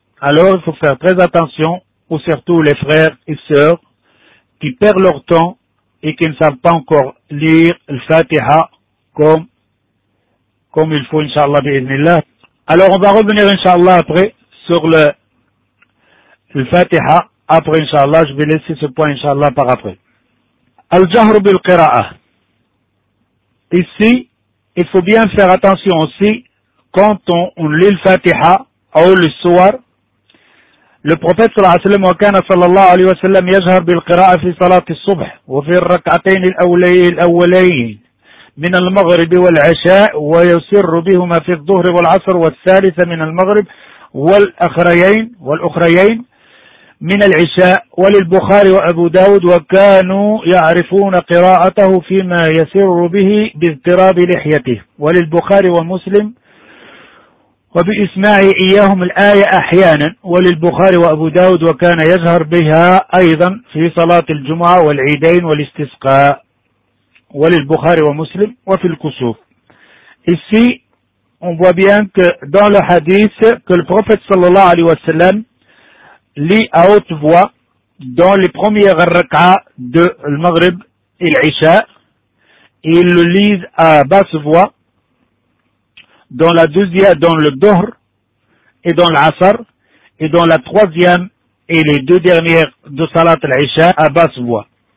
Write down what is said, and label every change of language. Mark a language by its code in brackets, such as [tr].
[fr] Alors, il faut faire très attention, ou surtout les frères et sœurs qui perdent leur temps et qui ne savent pas encore lire le Fatiha comme il faut, Inch'Allah, bi'idhnillah. Alors, on va revenir, Inch'Allah, après, sur le Fatiha. Après, Inch'Allah, je vais laisser ce point, Inch'Allah, par après. Al-Jahru bil-Qira'ah. Ici, il faut bien faire attention aussi, quand on lit le Fatiha, ou le Suwar, le prophète sallallahu alayhi wa sallam, [ar] وكان صلى الله عليه وسلم يجهر بالقراءة في صلاة الصبح وفي الركعتين الأولين من المغرب والعشاء ويسر بهما في الظهر والعصر والثالثة من المغرب والأخريين من العشاء وللبخاري وأبو داود وكانوا يعرفون قراءته فيما يسر به باضطراب لحيته وللبخاري ومسلم وبإسماعي إياهم الآية أحيانا وللبخاري وأبو داود وكان يجهر بها أيضا في صلاة الجمعة والعيدين والاستسقاء وللبخاري ومسلم وفي الكسوف. [fr] Ici, on voit bien que dans le hadith que le prophète صلى الله عليه وسلم lit à haute voix dans les premières rak'ah de المغرب et العشاء, il le lit à basse voix dans la deuxième, dans le dhuhr et dans l'asr, et dans la troisième et les deux dernières de salat al-isha à basse voix.